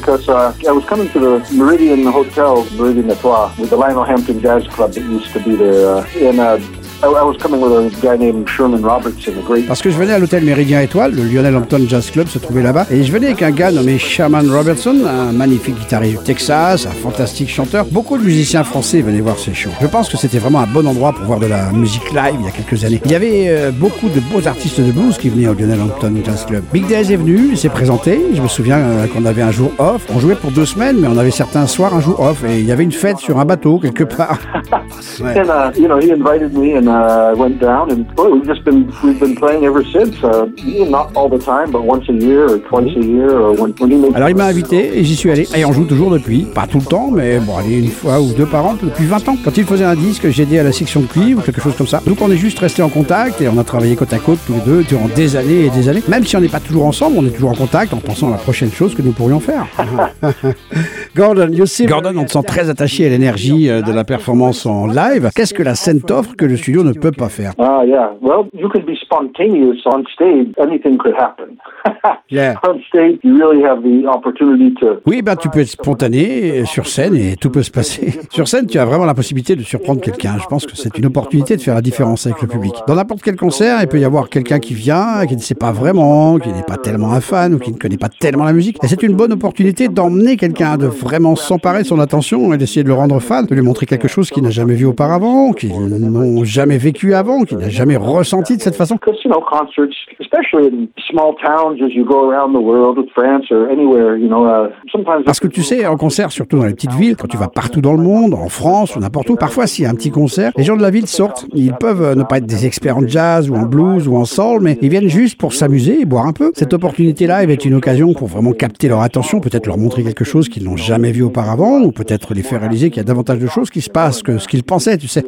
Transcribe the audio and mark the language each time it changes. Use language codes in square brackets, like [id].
[en] I was coming to the Meridian Hotel, Meridian Natois, with the Lionel Hampton Jazz Club that used to be there, and I was coming with a guy named Sherman Robertson, a great... [fr] Parce que je venais à l'hôtel Méridien Étoile, le Lionel Hampton Jazz Club se trouvait là-bas, et je venais avec un gars nommé Sherman Robertson, un magnifique guitariste du Texas, un fantastique chanteur. Beaucoup de musiciens français venaient voir ces shows. Je pense que c'était vraiment un bon endroit pour voir de la musique live il y a quelques années. Il y avait beaucoup de beaux artistes de blues qui venaient au Lionel Hampton Jazz Club. Big Days est venu, il s'est présenté. Je me souviens qu'on avait un jour off. On jouait pour 2 semaines, mais on avait certains soirs un jour off, et il y avait une fête sur un bateau quelque part. Ouais. [en] And you know, he invited me, and went down, and boy, we've been playing ever since. Not all the time, but once a year or twice a year or when he made. [fr] Alors il m'a invité et j'y suis allé. Et on joue toujours depuis, pas tout le temps, mais bon, allez, une fois ou deux par an depuis 20 ans. Quand il faisait un disque, j'ai aidé à la section de cuivre ou quelque chose comme ça. Donc on est juste resté en contact et on a travaillé côte à côte tous les deux durant des années et des années. Même si on n'est pas toujours ensemble, on est toujours en contact en pensant à la prochaine chose que nous pourrions faire. Gordon, on te sent très attaché à l'énergie de la performance en live. Qu'est-ce que la scène t'offre que le studio ne peut pas faire? [en] Yeah. Well, you could be spontaneous on stage. Anything could happen. Yeah. On stage, you really have the opportunity to... [fr] Oui, tu peux être spontané sur scène et tout peut se passer. Sur scène, tu as vraiment la possibilité de surprendre quelqu'un. Je pense que c'est une opportunité de faire la différence avec le public. Dans n'importe quel concert, il peut y avoir quelqu'un qui vient, qui ne sait pas vraiment, qui n'est pas tellement un fan ou qui ne connaît pas tellement la musique. Et c'est une bonne opportunité d'emmener quelqu'un, de vraiment s'emparer de son attention et d'essayer de le rendre fan, de lui montrer quelque chose qu'il n'a jamais vu auparavant, qu'il n'a jamais vécu avant, qu'il n'a jamais ressenti de cette façon. [en] Because, you know, concerts, especially in small towns as you go around the world, with France or anywhere, you know, sometimes... [fr] Parce que tu sais, en concert, surtout dans les petites villes, quand tu vas partout dans le monde, en France ou n'importe où, parfois s'il y a un petit concert, les gens de la ville sortent. Ils peuvent ne pas être des experts en jazz ou en blues ou en soul, mais ils viennent juste pour s'amuser et boire un peu. Cette opportunité live est une occasion pour vraiment capter leur attention, peut-être leur montrer quelque chose qu'ils n'ont jamais vu auparavant, ou peut-être les faire réaliser qu'il y a davantage de choses qui se passent que ce qu'ils pensaient, tu sais.